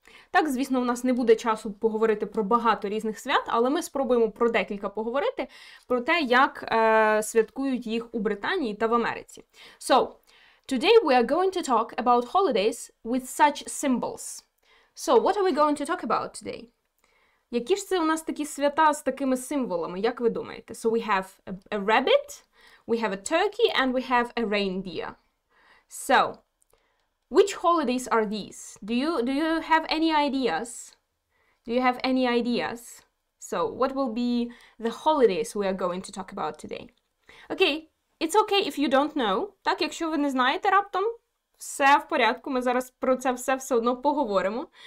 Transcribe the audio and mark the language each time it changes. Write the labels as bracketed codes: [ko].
[uk] Так, звісно, у нас не буде часу поговорити про багато різних свят, але ми спробуємо про декілька поговорити про те, як святкують їх у Британії та в Америці. [en] So, today we are going to talk about holidays with such symbols. So, what are we going to talk about today? [uk] Які ж це у нас такі свята з такими символами, як ви думаєте? [en] So we have a rabbit, we have a turkey, and we have a reindeer. So, which holidays are these? Do you have any ideas? Do you have any ideas? So, what will be the holidays we are going to talk about today? Okay, it's okay if you don't know. [uk] Так, якщо ви не знаєте раптом, все в порядку, ми зараз про це все одно поговоримо.